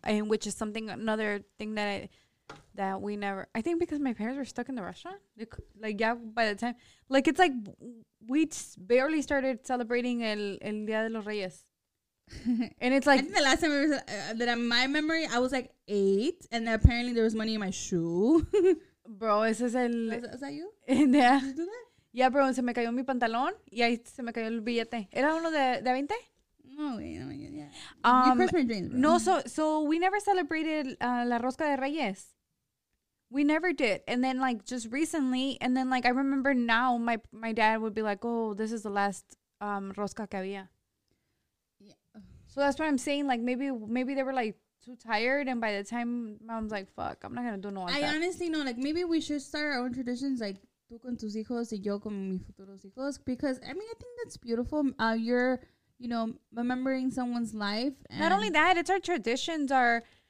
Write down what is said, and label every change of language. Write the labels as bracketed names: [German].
[English] And which is something, another thing that we never, I think because my parents were stuck in the restaurant. Like, yeah, by the time, like, it's like we barely started celebrating el Día de los Reyes. And it's like, I think the last time was, that in my memory, I was like 8, and apparently there was money in my shoe. [Spanish] Bro, ese es el. [English] Is that you? And, did you do that? [Spanish] Yeah, bro, se me cayó mi pantalón y ahí se me cayó el billete. ¿Era uno de 20? [English] No, yeah. You crushed my dreams, bro. No, so we never celebrated La Rosca de Reyes. We never did. And then, like, just recently, and then, like, I remember now my dad would be like, oh, this is the last rosca [Spanish] que había. [English] So that's what I'm saying. Like, maybe they were, like, too tired. And by the time mom's like, fuck, I'm not going to do no like I that. Honestly know. Like, maybe we should start our own traditions. [Spanish] Like, tú con tus hijos y yo con mis futuros hijos. [English] Because, I mean, I think that's beautiful. You're, you know, remembering someone's life. And not only that, it's our traditions are.